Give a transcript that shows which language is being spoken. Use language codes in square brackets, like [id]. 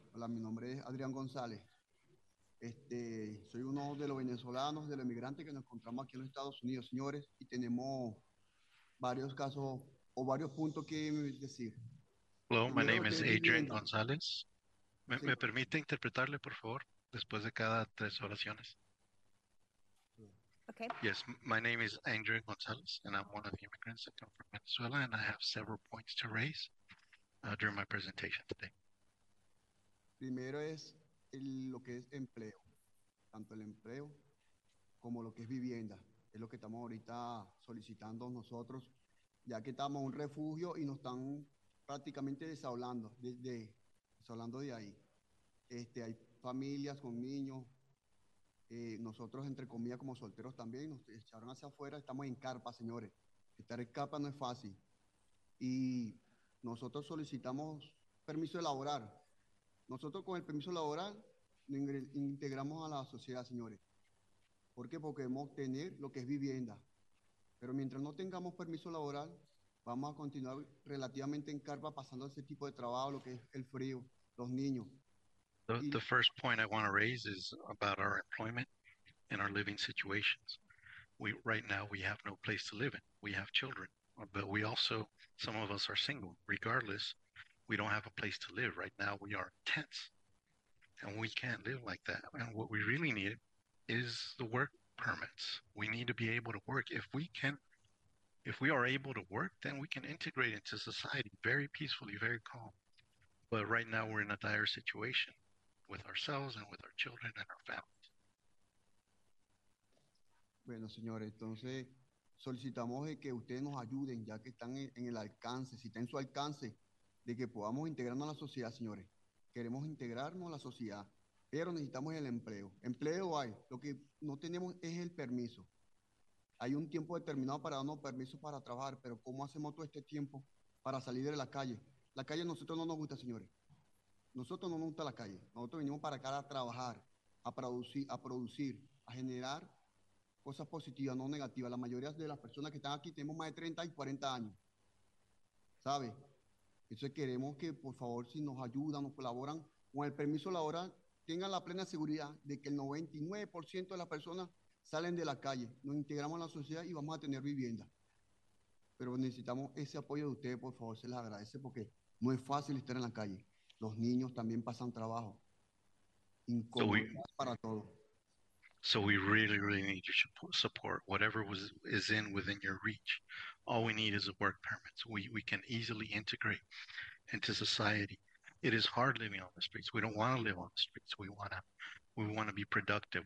[es] Hola, mi nombre es Adrián González. Soy uno de los venezolanos, de los inmigrantes que nos encontramos aquí en los Estados Unidos, señores, y tenemos varios casos o varios puntos que decir. [en] Hello, my name is Adrian González. [es] ¿Me permite interpretarle, por favor, después de cada tres oraciones? [en] Okay. Yes, my name is Adrian González, and I'm one of the immigrants that come from Venezuela, and I have several points to raise during my presentation today. [es] Primero es lo que es empleo, tanto el empleo como lo que es vivienda. Es lo que estamos ahorita solicitando nosotros, ya que estamos en un refugio y nos están prácticamente desahogando de ahí. Hay familias con niños, nosotros entre comillas como solteros también, nos echaron hacia afuera, estamos en carpa, señores. Estar en carpa no es fácil. Y nosotros solicitamos permiso de laborar. Nosotros con el permiso de laborar nos integramos a la sociedad, señores. ¿Por qué? Porque podemos tener lo que es vivienda. Pero mientras no tengamos permiso laboral, vamos a continuar relativamente en carpa pasando ese tipo de trabajo, lo que es el frío, los niños. [en] The first point I want to raise is about our employment and our living situations. Right now we have no place to live in. We have children, but we also, some of us are single. Regardless, we don't have a place to live. Right now we are tents and we can't live like that. And what we really need is the work permits. We need to be able to work. If we are able to work, then we can integrate into society very peacefully, very calm. But right now we're in a dire situation with ourselves and with our children and our families. [es] Bueno, señores, entonces solicitamos que ustedes nos ayuden, ya que están en el alcance, si está en su alcance, de que podamos integrarnos a la sociedad, señores. Queremos integrarnos a la sociedad, pero necesitamos el empleo. Empleo hay, lo que no tenemos es el permiso. Hay un tiempo determinado para darnos permiso para trabajar, pero ¿cómo hacemos todo este tiempo para salir de la calle? La calle a nosotros no nos gusta, señores. Nosotros no nos gusta la calle. Nosotros venimos para acá a trabajar, a producir, a generar cosas positivas, no negativas. La mayoría de las personas que están aquí tenemos más de 30 y 40 años, ¿sabe? Entonces queremos que, por favor, si nos ayudan, nos colaboran, con el permiso laboral, tengan la plena seguridad de que el 99% de las personas salen de la calle, nos integramos a la sociedad y vamos a tener vivienda. Pero necesitamos ese apoyo de ustedes, por favor, se les agradece, porque no es fácil estar en la calle. Los niños también pasan trabajo. Incomodidad para todos. [en] So we really, really need your support. Whatever is in within your reach, all we need is a work permit. So we can easily integrate into society. It is hard living on the streets. We don't want to live on the streets. We want to be productive.